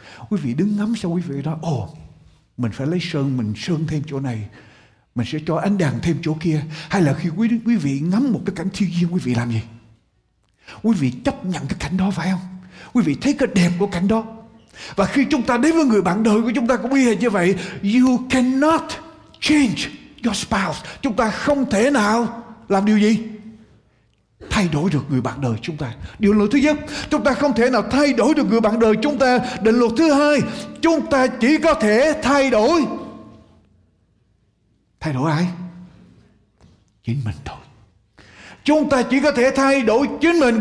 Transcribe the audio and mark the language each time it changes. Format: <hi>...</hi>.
<vi>Quý vị đứng ngắm xong quý vị đó, ồ, mình phải lấy sơn, mình sơn thêm chỗ này, mình sẽ cho ánh đèn thêm chỗ kia. Hay là khi quý vị ngắm một cái cảnh thiên nhiên, quý vị làm gì? Quý vị chấp nhận cái cảnh đó phải không? Quý vị thấy cái đẹp của cảnh đó. Và khi chúng ta đến với người bạn đời của chúng ta cũng y hệt như vậy.</vi> <en>You cannot change your spouse.</en> <vi>Chúng ta không thể nào làm điều gì? Thay đổi được người bạn đời chúng ta. Điều luật thứ nhất, chúng ta không thể nào thay đổi được người bạn đời chúng ta. Định luật thứ hai, chúng ta chỉ có thể thay đổi. Thay đổi ai? Chính mình thôi. Chúng ta chỉ có thể thay đổi chính mình.</vi>